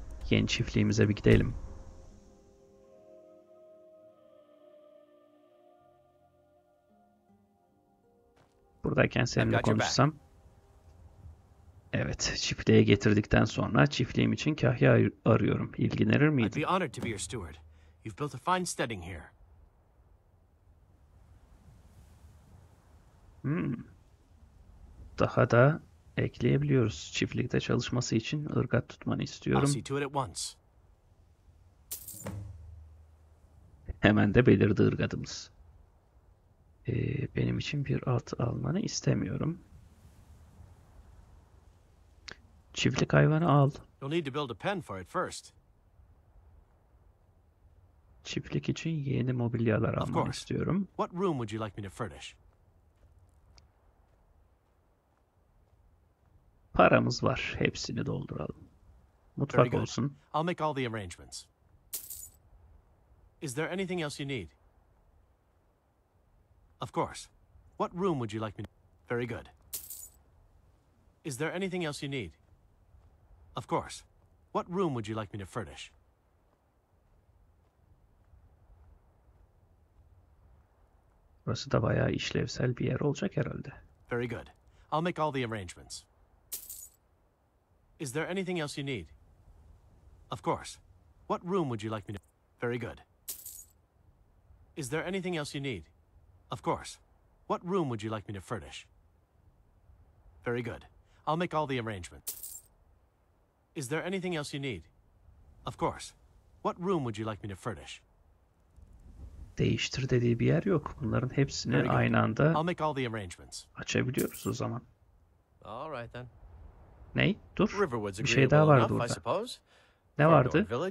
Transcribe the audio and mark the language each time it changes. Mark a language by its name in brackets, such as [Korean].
[Turkish] Yeni çiftliğimize bir gidelim. Buradayken seninle konuşsam. Evet, çiftliğe getirdikten sonra çiftliğim için kahya arıyorum. İlgilenir miydin? [English] I'd be honored to be your steward. You've built a fine steading here. [Turkish] Daha da ekleyebiliyoruz. Çiftlikte çalışması için ırgat tutmanı istiyorum. [English] I'll see to it at once. [Turkish] Hemen de belirdi ırgatımız. Benim için bir at almanı istemiyorum. Çiftlik hayvanı al. [English] You'll need to build a pen for it first. [Turkish] Çiftlik için yeni mobilyalar almak istiyorum. [English] What room would you like me to furnish? [Turkish] Paramız var, hepsini dolduralım. Mutfak olsun. [English] I'll make all the arrangements. Is there anything else you need? Of course. What room would you like me to... Very good. Is there anything else you need? Of course. What room would you like me to furnish? [Turkish] Burası da bayağı işlevsel bir yer olacak herhalde. [English] Very good. I'll make all the arrangements. Is there anything else you need? Of course. What room would you like me to... Very good. Is there anything else you need? Of course. What room would you like me to furnish? Very good. I'll make all the arrangements. Is there anything else you need? Of course. What room would you like me to furnish? [Turkish] Değiştir dediği bir yer yok. Bunların hepsini aynı anda açabiliyoruz o zaman. [English] All right then. [Turkish] Ney? Dur. Riverwood's bir şey daha vardı enough, orada. Ne vardı?